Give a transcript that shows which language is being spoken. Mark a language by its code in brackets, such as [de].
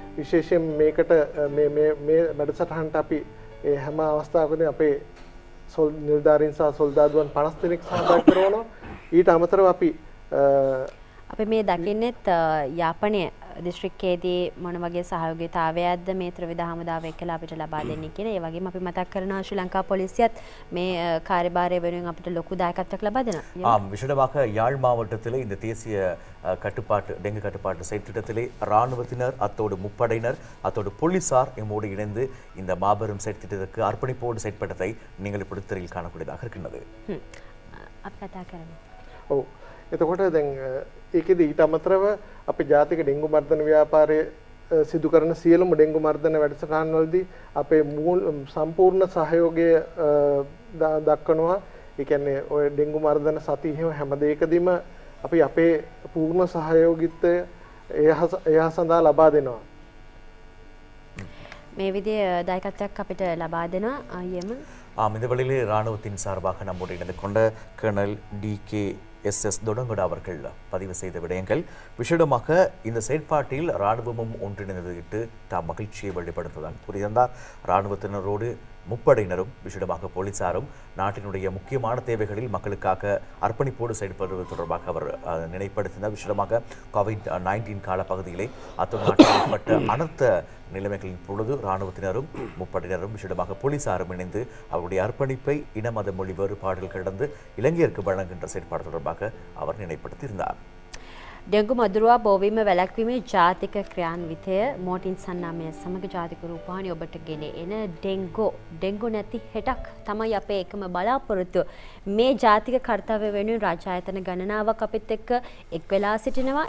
[si] විශේෂයෙන් මේකට මේ මේ මේ වැඩසටහනට අපි ඒ හැම අවස්ථාවකදී අපේ සොල් නිලධාරීන් සහ සොල්දාදුවන් 50 දෙනෙක් සහභාගී කරනවා. ඊට අමතරව අපි අපේ මේ දකින්නෙත් යාපනය දිස්ත්‍රික්කයේදී මොන වගේ සහයෝගිතාවයක්ද මේ ත්‍රිවිධ හමුදාව එක්කලා අපිට ලබා දෙන්නේ කියලා. ඒ වගේම අපි මතක් කරනවා ශ්‍රී ලංකා පොලිසියත් මේ කාර්යභාරය වෙනුවෙන් අපිට ලොකු දායකත්වයක් ලබා දෙනවා. [ta] ආ, විශේෂවක යාල් මාවට්ටத்தில் இந்த தேசிய கட்டுப்பாட்டு டெங்கு கட்டுப்பாட்டு செயற்திட்டத்தில் இராணுவத்தினர் அத்தோடு முப்படையினர் அத்தோடு போலீசார் எம்மோடு இணைந்து இந்த மாபெரும் செயற்திட்டத்துக்கு அர்ப்பணிப்போடு செயற்பட்டதை நீங்கள் இப்படி திரையில் காணக்கூடியதாக இருக்கின்றது. அப்ப கதா கரம் [si] ஓ එතකොට දැන් ඒකෙදි ඊට අමතරව අපි ජාතික ඩෙංගු මර්ධන ව්‍යාපාරයේ සිදු කරන සියලුම ඩෙංගු මර්ධන වැඩසටහන් වලදී අපේ මූල සම්පූර්ණ සහයෝගය දක්වනවා. ඒ කියන්නේ ඔය ඩෙංගු මර්ධන සතියේම හැම දෙයකදීම අපි අපේ පූර්ණ සහයෝගිත්වය එයා සඳහා ලබා දෙනවා. මේ විදිහ දායකත්වයක් අපිට ලබා දෙනවා අයියම. [ta] ஆம் இந்த வழியில் இராணுவத்தின் சார்பாக நம்மோடு இணைந்து கொண்ட kernel D K S S தொடங்குட அவர்கள் பதிவு செய்த விடயங்கள். விசேடமாக இந்த செயற்பாட்டில் இராணுவமும் ஒன்றிணைந்ததுக்கு தாம் மகிழ்ச்சியை வெளிப்படுத்துவதாக கூறியிருந்தார். இராணுவத்தினரோடு முப்படையினரும் விசேடமாக போலீசாரும் நாட்டினுடைய முக்கியமான தேவைகளில் மக்களுக்காக அர்ப்பணிப்போடு செயல்படுவது தொடர்பாக அவர் நினைப்படுத்தினார். விசேடமாக COVID-19 காலப்பகுதியிலே அத்துடன் அனர்த்த நிலைமைகளின் பொழுது இராணுவத்தினரும் முப்படையினரும் விசேடமாக போலீசாரும் இணைந்து அவருடைய அர்ப்பணிப்பை இன மத மொழி வேறுபாடுகள் கடந்து இலங்கையருக்கு வழங்குகின்ற செயற்பாடு தொடர்பாக அவர் நினைப்படுத்தியிருந்தார். [si] ඩෙංගු මදුරුවා බෝවීම වැළැක්වීමේ ජාතික ක්‍රියාන්විතය මෝටින් සන්නාමය සමග ජාතික රූපවාහිනිය ඔබට ගෙන එන ඩෙංගු නැති හෙටක් තමයි අපේ එකම බලාපොරොත්තුව. මේ ජාතික කර්තව්‍ය වෙනුවෙන් රාජායතන ගණනාවක් අපිත් එක්ක එක් වෙලා සිටිනවා.